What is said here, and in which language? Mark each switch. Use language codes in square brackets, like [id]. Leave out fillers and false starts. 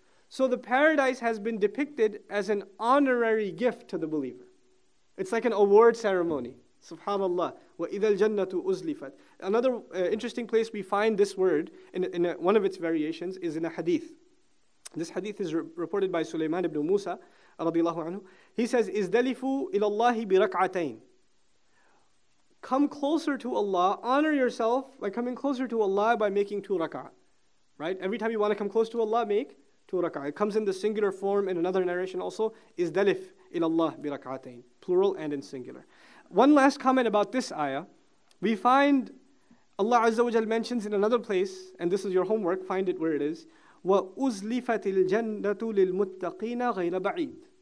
[en] So the paradise has been depicted as an honorary gift to the believer. It's like an award ceremony. [ar] Subhanallah. وَإِذَا الْجَنَّةُ أُزْلِفَتْ. [en] Another interesting place we find this word in one of its variations is in a hadith. This hadith is reported by Sulaiman ibn Musa radiallahu anhu. He says, [ar] إِزْدَلِفُوا إِلَى اللَّهِ بِرَكْعَتَيْنِ. [en] Come closer to Allah, honor yourself by coming closer to Allah by making two rak'ah. Right? Every time you want to come close to Allah, make two rak'ah. It comes in the singular form in another narration also, [ar] izdalif ilallah bi rak'atayn, [en] plural and in singular. One last comment about this ayah. We find Allah Azza wa Jal mentions in another place, and this is your homework, find it where it is, [ar] wa uzlifatil jannatu lil muttaqina ghayra ba'id.